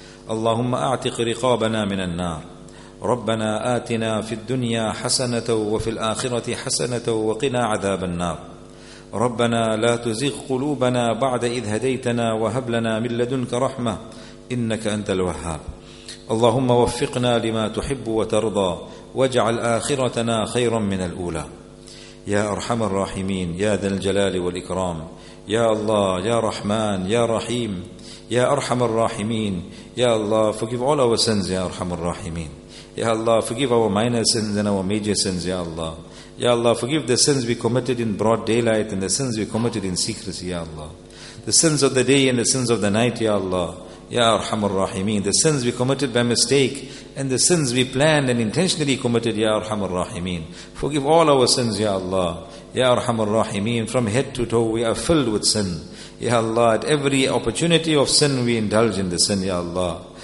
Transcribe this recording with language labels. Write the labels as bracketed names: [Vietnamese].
[Arabic] اللهم أعتق رقابنا من النار. ربنا آتنا في الدنيا حسنة وفي الآخرة حسنة وقنا عذاب النار. ربنا لا تزغ قلوبنا بعد إذ هديتنا وهب لنا من لدنك رحمة إنك أنت الوهاب. اللهم وفقنا لما تحب وترضى واجعل آخرتنا خيرا من الأولى. يا أرحم الراحمين، يا ذا الجلال والإكرام، يا الله [English] يا رحمن يا رحيم، [Arabic] يا أرحم الراحمين، يا الله [English] forgive all our sins يا أرحم الراحمين، يا الله forgive our minor sins and our major sins [Arabic] يا الله، يا الله [English] forgive the sins we committed in broad daylight and the sins we committed in secrecy يا الله، the sins of the day and the sins of the night [Arabic] يا الله، يا أرحم الراحمين، [English] the sins we committed by mistake and the sins we planned and intentionally committed [Arabic] يا أرحم الراحمين. [English] Forgive all our sins [Arabic] يا الله، يا أرحم الراحمين. [English] From head to toe we are filled with sin [Arabic] يا الله. [English] At every opportunity of sin we indulge in the sin يا الله.